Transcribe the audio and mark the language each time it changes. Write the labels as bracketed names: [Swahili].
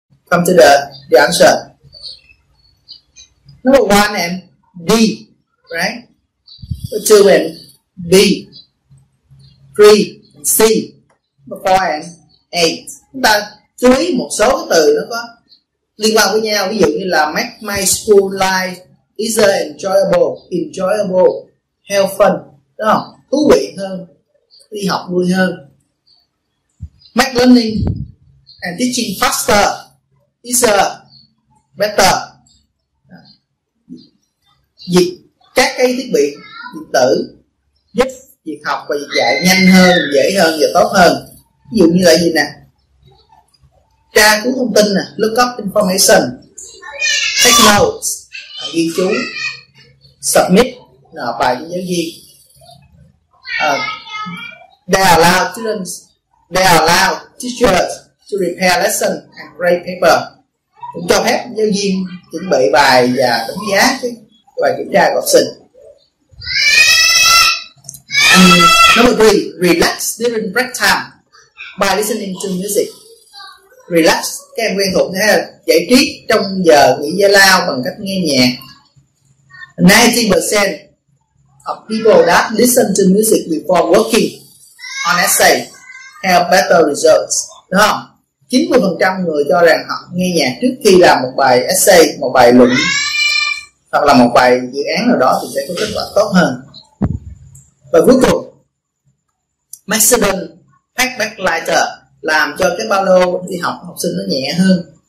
[English] Come to the answer. Number one and D, right? Number two and B, three and C, number four and A. [Vietnamese] Chúng ta chú ý một số cái từ nó có liên quan với nhau, ví dụ như là [English] make my school life easier, enjoyable, have fun, [Vietnamese] đúng không? Thú vị hơn, đi học vui hơn. [English] Make learning and teaching faster, easier, better. [Vietnamese] Các cái thiết bị điện tử giúp việc học và việc dạy nhanh hơn, dễ hơn và tốt hơn. Ví dụ như là gì nè, tra cứu thông tin nè, [English] look up information, take notes, [Vietnamese] ghi chú, submit nộp bài cho giáo viên. [English] They allow teachers to repair lesson and grade paper. [Vietnamese] Cũng cho phép giáo viên chuẩn bị bài và đánh giá cái bài kiểm tra của học sinh. [English] Number three, relax during break time by listening to music. [Vietnamese] Relax, các em quen thuộc thế là giải trí trong giờ nghỉ giờ lao bằng cách nghe nhạc. [English] 90% of people that listen to music before working on essay have better results. [Vietnamese] Đúng không? 90% người cho rằng họ nghe nhạc trước khi làm một bài essay, một bài luận hoặc là một bài dự án nào đó thì sẽ có kết quả tốt hơn. Và cuối cùng, [English] Mexican pack back lighter, [Vietnamese] làm cho cái ba lô đi học học sinh nó nhẹ hơn.